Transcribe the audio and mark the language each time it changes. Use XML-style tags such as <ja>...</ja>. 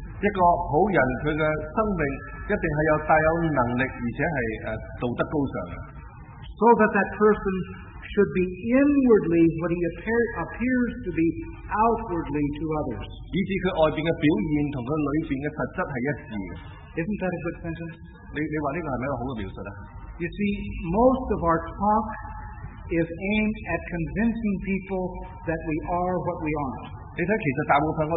<zh>一個好人,他的生命一定是有大有能力,而且是道德高尚的。</zh> <en>So that person should be inwardly what he appears to be outwardly to others.</en> <zh>以致他外面的表現和他裡面的實質是一致的。</zh> <en>Isn't that a good sentence?</en> <zh>你說這個是不是一個好的描述呢?</zh> <en>You see, most of our talk is aimed at convincing people that we are what we aren't.</en>